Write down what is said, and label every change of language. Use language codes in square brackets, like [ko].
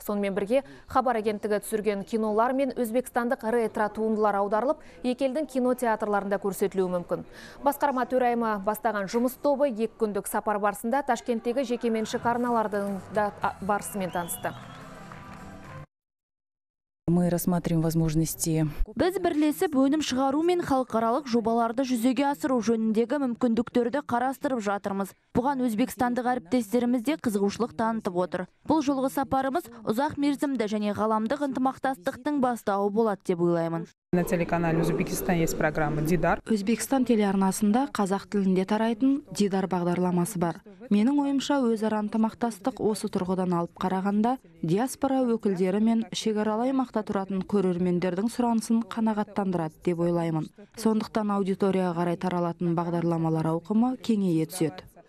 [kk] Сонымен бірге Хабар агенттігі түсірген кинолар мен өзбекстандық ретро туындылар аударылып, екелдің кинотеатрларында көрсетілуі мүмкін. Басқарма төрайымы бастаған жұмыс тобы екі күндік сапар барысында Ташкенттегі жекеменшік арналардың да барысымен танысты. [ru] Мы рассматриваем возможности. [kk] Біз бірлесіп өнім шығару мен халықаралық жобаларды жүзеге асыру жөніндегі мүмкіндіктерді қарастырып жатырмыз. Бұған өзбекстандық әріптестерімізде қызығушылық танытып отыр. Бұл жолғы сапарымыз ұзақ мерзімді және ғаламдық ынтымақтастықтың бастауы болады деп ойлаймын. [ru] На телеканале Узбекистан есть программа Дидар. [kk] Өзбекстан телеарнасында қазақ тілінде тарайтын Дидар бағдарламасы бар. Менің ойымша өзара ынтымақтастық осы тұрғыдан алып қарағанда диаспора өкілдері мен шекаралай мақта тұратын көрермендердің сұранысын қанағаттандырады деп ойлаймын. Сондықтан аудиторияға қарай таралатын бағдарламалар ауқымы кеңейе түседі.